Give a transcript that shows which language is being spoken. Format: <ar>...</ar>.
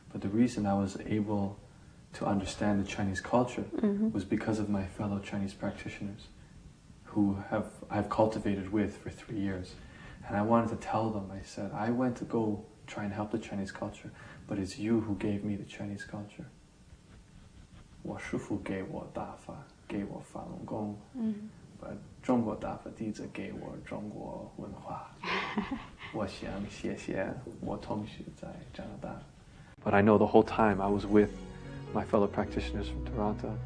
<en>But the reason I was able to understand the Chinese culture mm-hmm. was because of my fellow Chinese practitioners who I've cultivated with for 3 years. And I wanted to tell them, I said, I went to go try and help the Chinese culture, but it's you who gave me the Chinese culture.</en> <zh>我师父给我大法，给我法轮功, mm-hmm. 把中国大法弟子给我中国文化, 我想谢谢我同学在加拿大。</zh> <en>But I know the whole time I was with my fellow practitioners from Toronto.</en>